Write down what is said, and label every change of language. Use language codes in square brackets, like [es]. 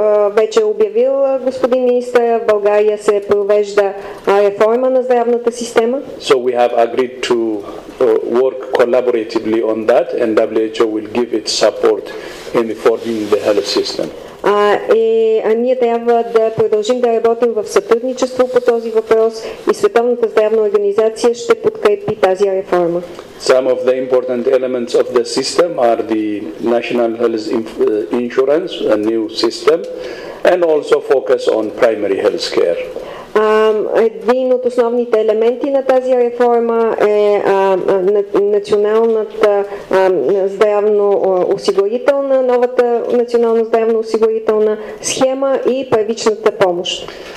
[bg] Вече обявил господин министър, в България се провежда реформа на здравната система. [en] So we have agreed to work collaboratively on that and WHO will give its support in reforming the health system. [bg] Ние трябва да продължим да работим в сътрудничество по този въпрос и Световната здравна организация ще подкрепи тази реформа. [en] Some of the important elements of the system are the National Health Insurance, a new system, and also focus on primary health care. [bg] Един от основните елементи на тази реформа е националната здравно осигурителна, новата национална здравно осигурителна схема и първичната помощ.